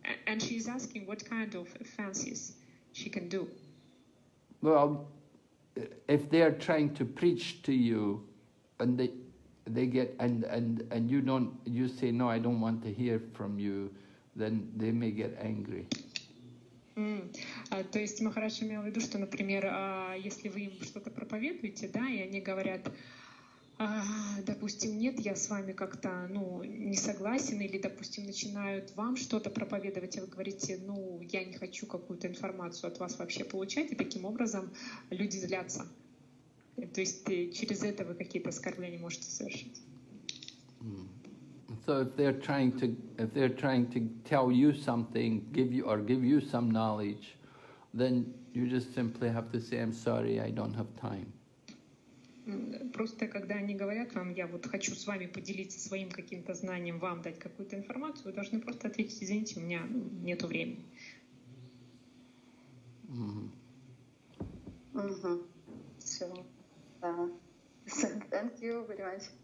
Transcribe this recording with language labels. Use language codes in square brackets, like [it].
[en] And she's asking what kind of offenses she can do. Well, if they are trying to preach to you, and they get and you don't, you say no, I don't want to hear from you, then they may get angry. [ru] То есть Махарадж имел в виду, что, например, если вы им что-то проповедуете, да, и они говорят, допустим, нет, я с вами как-то, ну, не согласен, или, допустим, начинают вам что-то проповедовать, и вы говорите, ну, я не хочу какую-то информацию от вас вообще получать, и таким образом люди злятся. То есть через это вы какие-то оскорбления можете совершить. [en] So if they're trying to tell you something, give you some knowledge, then you just simply have to say, I'm sorry, I don't have time. [ru] Просто когда они говорят вам, я вот хочу с вами поделиться своим каким-то знанием, вам дать какую-то информацию, вы должны просто ответить, извините, у меня нету времени. [en] Thank you very much.